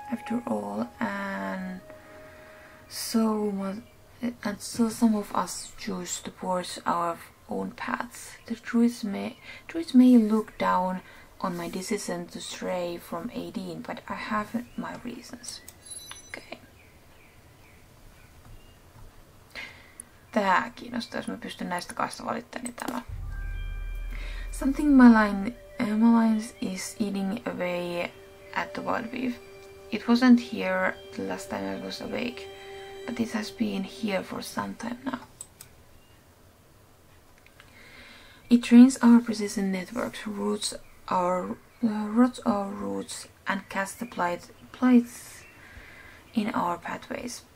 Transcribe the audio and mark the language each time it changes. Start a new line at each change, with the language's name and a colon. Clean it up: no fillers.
English: After all, so some of us choose to force our own paths. The truth may look down on my decision to stray from Aedin, but I have my reasons. Okay.
Finnish: Tää kiinnostaa, jos mä pystyn näistä kahdesta valittamaan tämä.
English: Something malign is eating away at the wild beef. It wasn't here the last time I was awake, but it has been here for some time now. It drains our precision networks, rots our roots, and casts the blights in our pathways.